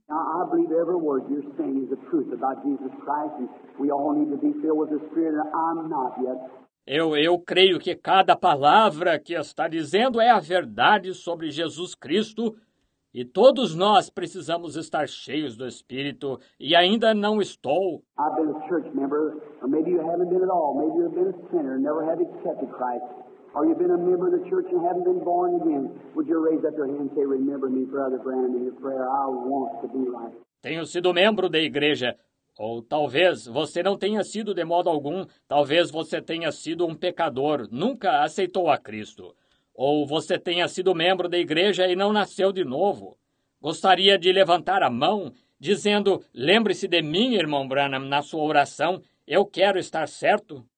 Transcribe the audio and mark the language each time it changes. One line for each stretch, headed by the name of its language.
English: I believe every word you're saying is the truth about Jesus Christ, and we all need to be filled with the Spirit, and I'm not yet.
Portuguese: Eu creio que cada palavra que está dizendo é a verdade sobre Jesus Cristo, e todos nós precisamos estar cheios do Espírito, e ainda não estou.
English: I've been a church member, or maybe you haven't been at all. Maybe you've been a sinner and never have accepted Christ. Or you've been a member of the church and haven't been born again. Would you raise up your hand and say, remember me, Brother Brandon, in your prayer. I want to be right.
Portuguese: Tenho sido membro da igreja. Ou talvez você não tenha sido de modo algum, talvez você tenha sido um pecador, nunca aceitou a Cristo. Ou você tenha sido membro da igreja e não nasceu de novo. Gostaria de levantar a mão, dizendo, lembre-se de mim, irmão Branham, na sua oração, eu quero estar certo.